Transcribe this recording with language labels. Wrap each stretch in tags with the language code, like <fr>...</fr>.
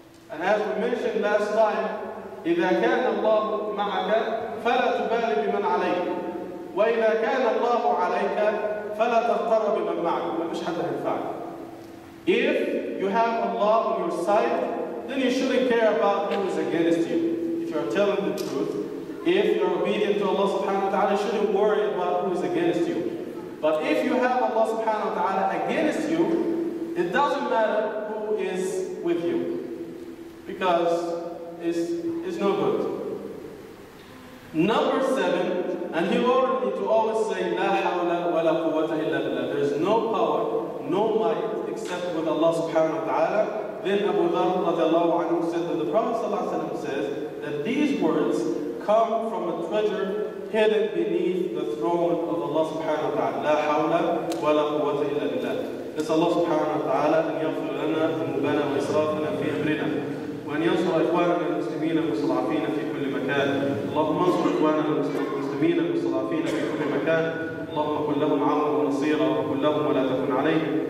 <en>And as we mentioned last time,</en> <ar>إذا كان الله معك فلا تبالي بمن عليك وإذا كان الله عليك فلا تغتر بمن معك. ما فيش حد هينفعك.</ar> <en>If you have Allah on your side, then you shouldn't care about who is against you. If you are telling the truth, if you're obedient to Allah subhanahu wa ta'ala, you shouldn't worry about who is against you. But if you have Allah subhanahu wa ta'ala against you, it doesn't matter who is with you, because it's no good. Number seven, and he warned me to always say,</en> <ar>لا حول ولا قوة إلا بالله.</ar> <en>There is no power, no might, except with Allah subhanahu wa ta'ala. Then Abu Dharr radiallahu anhu said that the Prophet says that these words come from a treasure hidden beneath the throne of Allah subhanahu wa ta'ala.</en> <ar>لا حول ولا قوة إلا بالله.</ar> <en>It's</en> <ar>Allah subhanahu wa ta'ala أن يغفر لنا ذنوبنا وإسرافنا في أمرنا. وأن ينصر إخواننا المسلمين المستضعفين في كل مكان. اللهم انصر إخواننا المسلمين المستضعفين في كل مكان. اللهم كن لهم عونا ونصيرا وكن لهم ولا تكن عليهم.</ar>